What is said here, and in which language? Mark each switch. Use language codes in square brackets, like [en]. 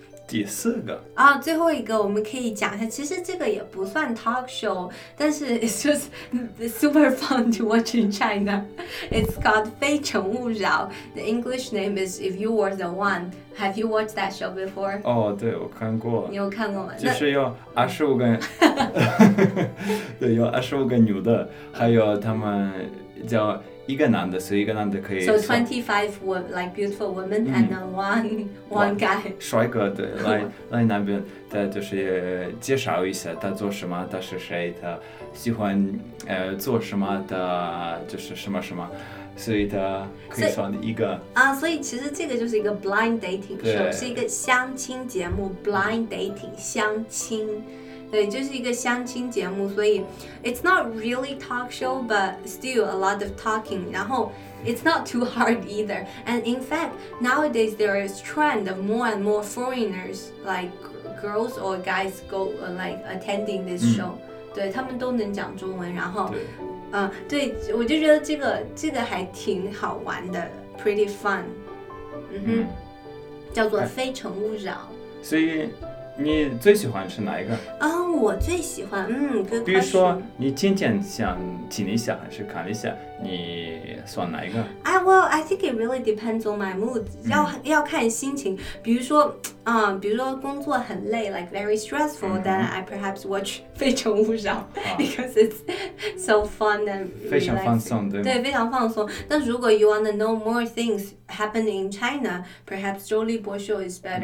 [zh] 第四个 [en] 啊、oh, [zh] 最后一个我们可以讲一下其实这个也不算 [en] talk show 但是 it's just super fun to watch in China it's called 非诚勿扰 the English name is if you were the one have you watched that show before? [zh] 哦、oh, 对我看过你有看过吗就是有25个对有25个女的还有他们叫一个男的，所以一个男的可以。 [en] So 25 were like beautiful women and one guy. [zh] 帅哥对，来那边，他就是介绍一下他做什么，他是谁，他喜欢做什么的，就是什么什么，所以他可以算一个。所以其实这个就是一个 [en] blind dating show， [zh] 是一个相亲节目 blind dating 相亲。对，就是一个相亲节目，所以 [en] it's not really talk show, but still a lot of talking. 然后 it's not too hard either. And in fact, nowadays there is trend of more and more foreigners, like girls or guys go, like attending this show.、 [zh] 嗯、对，他们都能讲中文，然后，对，对，我就觉得这个还挺好玩的 ， [en] pretty fun. [zh] 嗯哼，叫做非诚勿扰。所以。你最喜欢是哪一个？我最喜欢，比如说你今天想听一下还是看一下，你选哪一个？ [en] Well, I think it really depends on my mood. [zh] 要看心情。比如说工作很累 ， [en] like very stressful,、 [zh] 嗯、 [en] then I perhaps watch 非诚勿扰 because it's so fun and、relaxing. [zh] 非常放松，对吗？对，非常放松。但如果 [en] you wanna know more things happening in China, perhaps 周立波秀 is better、